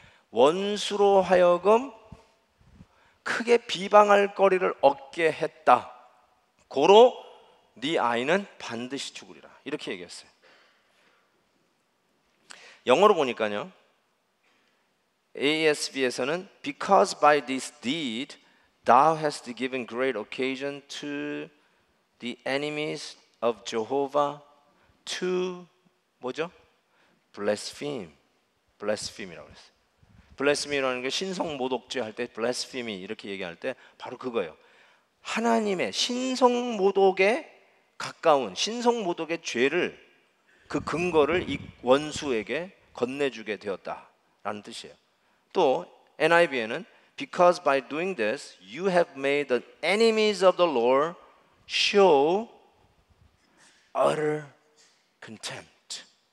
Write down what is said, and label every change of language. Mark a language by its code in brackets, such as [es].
[ko] 원수로 하여금 크게 비방할 거리를 얻게 했다. 고로 네 아이는 반드시 죽으리라. 이렇게 얘기했어요. 영어로 보니까요, ASB에서는 [en] Because by this deed thou hast given great occasion to the enemies of Jehovah to [ko] 뭐죠? blaspheme이라고 했어요. blaspheme라는 게 신성 모독죄 할 때 blaspheme 이렇게 얘기할 때 바로 그거예요. 하나님의 신성 모독에 가까운 신성 모독의 죄를 그 근거를 이 원수에게 건네주게 되었다라는 뜻이에요. 또 NIV에는 [en] Because by doing this you have made the enemies of the Lord show utter contempt.